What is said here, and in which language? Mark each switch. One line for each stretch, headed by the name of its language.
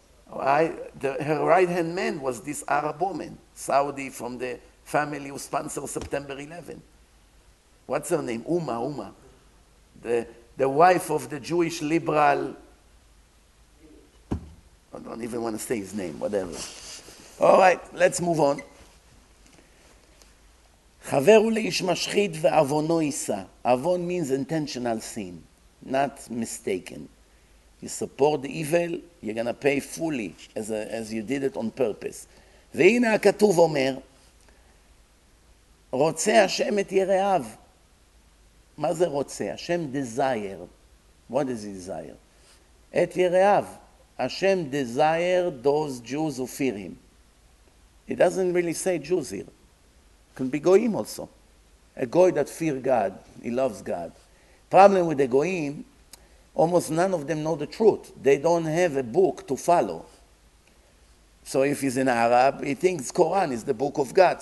English: Her right-hand man was this Arab woman, Saudi from the family who sponsored September 11. What's her name? Uma. The wife of the Jewish liberal. I don't even want to say his name, whatever. All right, let's move on.
Hebrew: חברו לאיש משחית ועוונו יישא.
English: Avon means intentional sin, not mistaken. You support the evil, you're going to pay fully as you did it on purpose.
Hebrew: והנה הכתוב אומר, רוצה השם את יראיו. מה זה רוצה? השם
English: desire. What does he desire?
Hebrew: את יראיו.
English: Hashem desire those Jews who fear him. It doesn't really say Jews here. It can be goyim also. A goy that fear God, he loves God. Problem with the goyim, almost none of them know the truth. They don't have a book to follow. So if he's an Arab, he thinks Quran is the book of God.